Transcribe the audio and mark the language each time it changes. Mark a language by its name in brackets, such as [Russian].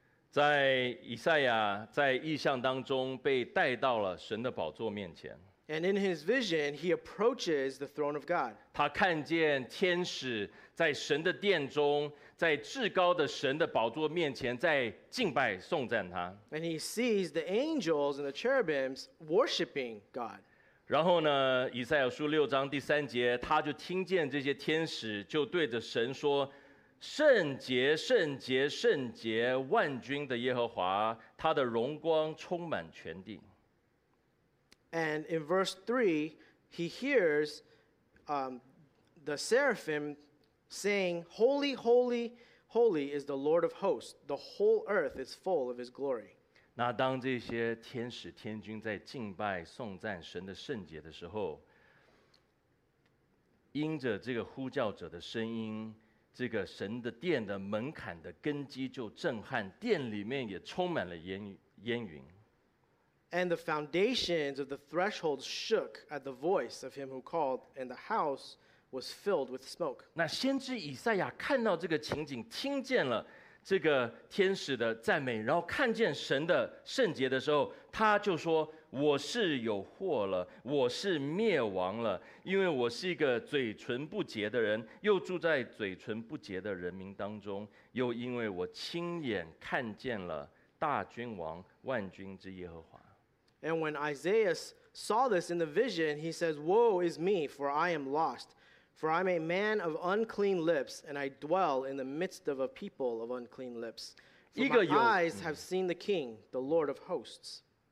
[Chinese] 在以赛亚在异象当中被带到了神的宝座面前。 [English] And in his vision, he approaches the throne of God. [Chinese] 他看见天使在神的殿中，在至高的神的宝座面前，在敬拜颂赞他。 [English] And he sees the angels and the cherubims worshiping God. [Chinese] 然后呢，以赛亚书六章第三节，他就听见这些天使就对着神说，圣洁，圣洁，圣洁，万军的耶和华，他的荣光充满全地。 [English] And in verse 3, he hears the seraphim saying, Holy, holy, holy is the Lord of hosts. The whole earth is full of his glory. [Chinese] 那当这些天使天君在敬拜颂赞神的圣洁的时候，因着这个呼叫者的声音，这个神的殿的门槛的根基就震撼，殿里面也充满了烟云。 [English] And the foundations of the threshold shook at the voice of him who called, and the house was filled with smoke. [Chinese] 那先知以赛亚看到这个情景，听见了这个天使的赞美，然后看见神的圣洁的时候，他就说，我是有祸了，我是灭亡了，因为我是一个嘴唇不洁的人，又住在嘴唇不洁的人民当中，又因为我亲眼看见了大君王万军之耶和华。 [English] And when Isaiah saw this in the vision, he says, Woe is me, for I am lost, for I'm a man of unclean lips, and I dwell in the midst of a people of unclean lips. For my eyes have seen the King, the Lord of hosts.